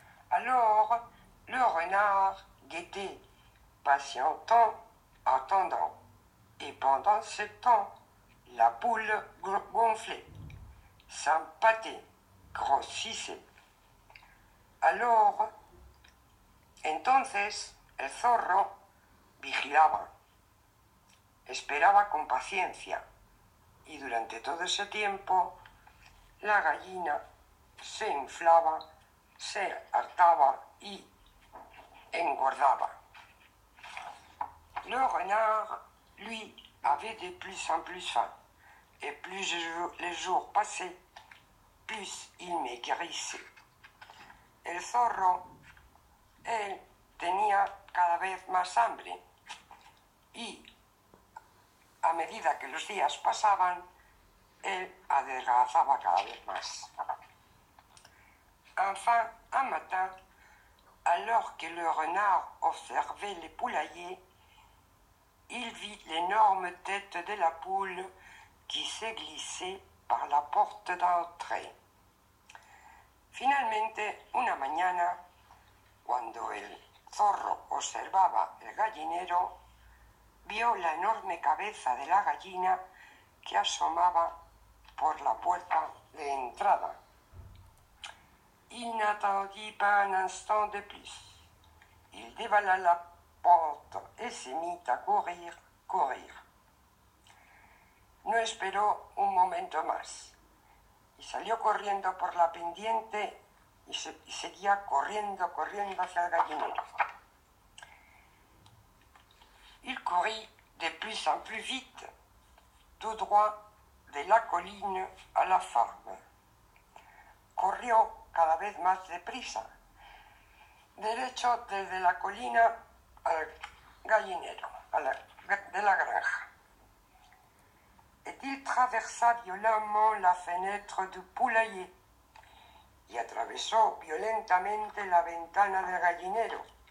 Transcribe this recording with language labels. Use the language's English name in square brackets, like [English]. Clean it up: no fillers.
[French] Alors, le renard guettait patientant, attendant, et pendant ce temps, la poule gonflait, s'empâtait, grossissait. [Spanish] Alors, entonces, el zorro vigilaba, esperaba con paciencia, y durante todo ese tiempo, la gallina se inflaba, se hartaba y engordaba. [French] Le renard, lui, avait de plus en plus faim, et plus les jours passaient, plus il maigrissait. [Spanish] El zorro, él, tenía cada vez más hambre y, a medida que los días pasaban, él adelgazaba cada vez más. [French] Enfin, un matin, alors que le renard observait le poulailler, il vit l'énorme tête de la poule qui se glissait par la porte d'entrée. [Spanish] Finalmente, una mañana, cuando él zorro observaba el gallinero, vio la enorme cabeza de la gallina que asomaba por la puerta de entrada. [French] Il n'attendit pas un instant de plus. Il déballa la porte et se mit à courir, courir. [Spanish] No esperó un momento más y salió corriendo por la pendiente y seguía corriendo, corriendo hacia el gallinero. [French] Il courit de plus en plus vite, tout droit de la colline à la ferme. [Spanish] Corrió cada vez más deprisa, derecho desde la colina al gallinero, de la granja. [French] Et il traversa violemment la fenêtre du poulailler [Spanish] y atravesó violentamente la ventana del gallinero.